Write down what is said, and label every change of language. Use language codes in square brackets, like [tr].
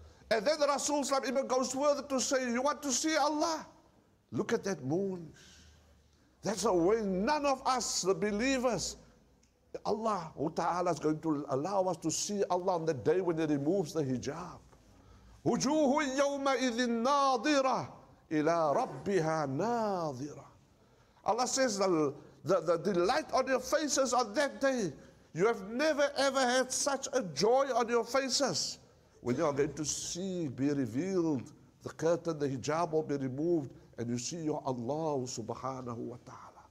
[en] And then Rasul Islam even goes further to say, you want to see Allah? Look at that moon. That's a way none of us, the believers, Allah Ta'ala is going to allow us to see Allah on the day when He removes the hijab. [ar] وجوه يوم إذ ناظرة إلى ربها ناظرة. [en] Allah says the delight on your faces on that day. You have never ever had such a joy on your faces when you are going to see, be revealed, the curtain, the hijab will be removed, and you see your Allah Subhanahu wa Ta'ala.